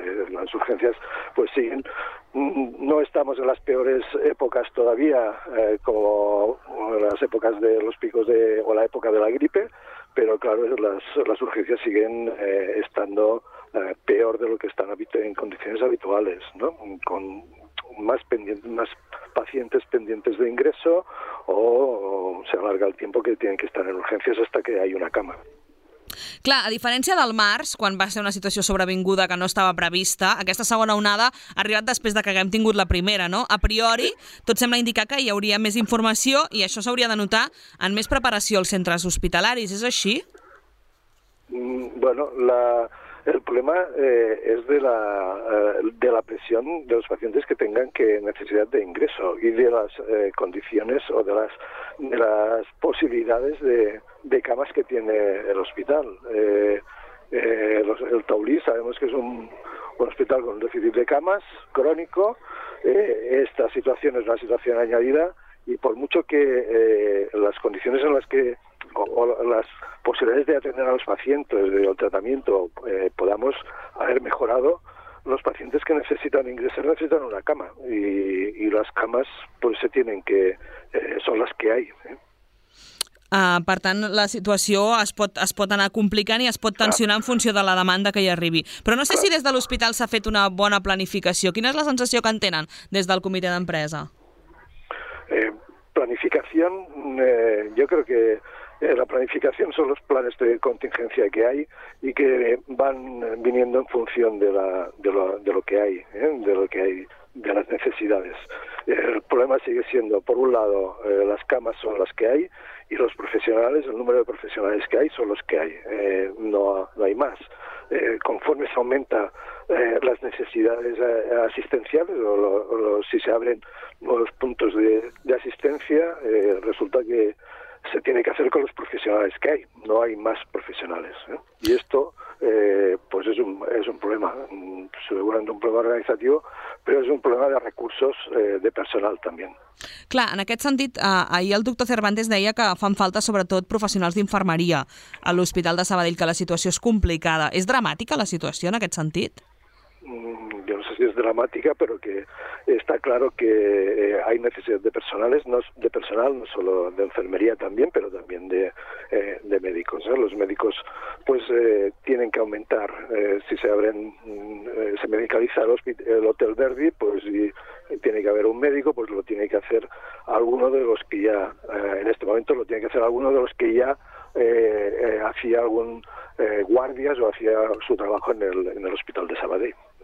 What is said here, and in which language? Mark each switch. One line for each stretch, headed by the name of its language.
Spanish: Las urgencias pues siguen. No estamos en las peores épocas todavía, como las épocas de los picos o la época de la gripe, pero claro, las urgencias siguen estando peor de lo que están en condiciones habituales, ¿no? Con más pacientes pendientes de ingreso o se alarga el tiempo que tienen que estar en urgencias hasta que hay una cama.
Catalan: Clar, a diferència del març, quan va ser una situació sobrevinguda que no estava prevista, aquesta segona onada ha arribat després de que haguem tingut la primera, no? A priori, tot sembla indicar que hi hauria més informació i això s'hauria de notar en més preparació als centres hospitalaris. És així?
Spanish: Bueno, el problema es de la presión de los pacientes que tengan que necesidad de ingreso y de las condiciones o de las posibilidades de camas que tiene el hospital. El Taulí sabemos que es un hospital con un déficit de camas crónico. Esta situación es una situación añadida, y por mucho que las condiciones en las que o las posibilidades de atender a los pacientes o el tratamiento podamos haber mejorado, los pacientes que necesitan ingresar necesitan una cama, y las camas pues se tienen que son las que hay.
Catalan: Per tant, la situació es pot anar complicant i es pot tensionar en funció de la demanda que hi arribi. Però no sé si des de l'hospital s'ha fet una bona planificació. Quina és la sensació que en tenen des del comitè d'empresa? Planificació, jo crec que
Spanish: la planificación son los planes de contingencia que hay y que van viniendo en función de lo que hay, ¿eh? de lo que hay de las necesidades. El problema sigue siendo, por un lado, las camas son las que hay y los profesionales, el número de profesionales que hay son los que hay. No hay más. Conforme se aumenta las necesidades asistenciales o si se abren nuevos puntos de asistencia, resulta que se tiene que hacer con los profesionales que hay. No hay más profesionales. Y esto pues es un problema,
Catalan: seguramente un problema organitzatiu, però és un problema de recursos de personal també. Clar, en aquest sentit, ahir el doctor Cervantes deia que fan falta sobretot professionals d'infermeria a l'Hospital de Sabadell, que la situació és complicada. És dramàtica la situació en aquest sentit? Jo no sé si és dramàtica, però que està clar que hi ha necessitat de personal, no de personal,
Spanish: no solo
Catalan: de infermeria també, però també de mèdics. Els mèdics
Spanish: pues tienen que aumentar. Si se abren, se medicaliza el Hotel Verdi, pues y tiene que haber un médico, pues lo tiene que hacer alguno de los que ya, en este momento lo tiene que hacer alguno de los que ya hacía algún guardias o hacía su trabajo en el Hospital de Sabadell.